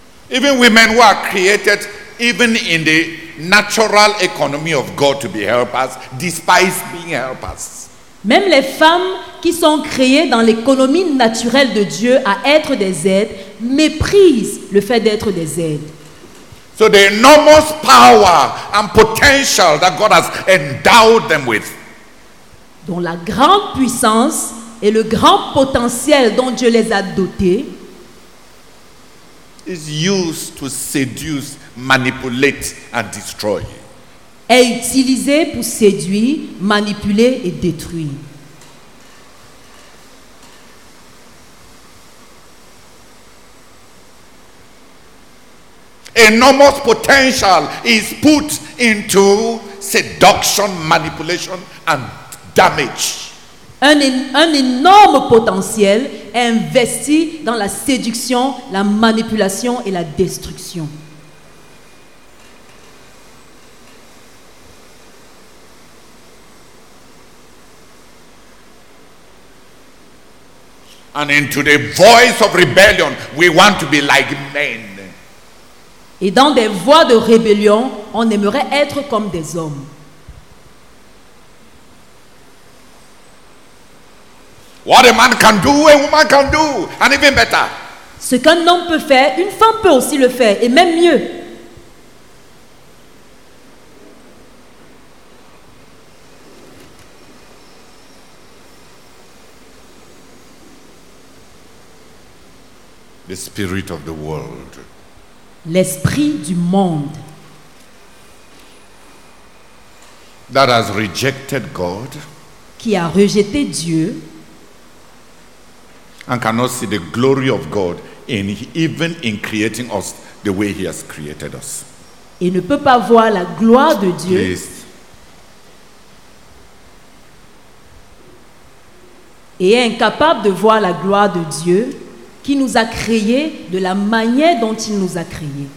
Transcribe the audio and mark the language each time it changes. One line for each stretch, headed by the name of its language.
English: Even women who are created, even in the natural economy of God to be helpers, despise being helpers.
French: Même les femmes qui sont créées dans l'économie naturelle de Dieu à être des aides méprisent le fait d'être des aides.
English: So the enormous power and potential that God has endowed them with.
French: Dont la grande puissance et le grand potentiel dont Dieu les a dotés.
English: Is used to seduce, manipulate, and destroy.
French: Est utilisé pour séduire, manipuler et détruire.
English: Enormous potential is put into seduction, manipulation, and damage.
French: Un énorme potentiel est investi dans la séduction, la manipulation et la destruction.
English: And into the voice of rebellion, we want to be like men.
French: Et dans des voix de rébellion, on aimerait être comme des hommes.
English: What a man can do, a woman can do, and even better.
French: Ce qu'un homme peut faire, une femme peut aussi le faire, et même mieux.
English: The spirit of the world.
French: L'esprit du monde.
English: That has rejected God.
French: Qui a rejeté Dieu.
English: And cannot see the glory of God in even in creating us the way He has created us.
French: Et ne peut pas voir la gloire de Dieu.
English: Please.
French: Et est incapable de voir la gloire de Dieu qui nous a créés de la manière dont Il nous a créés.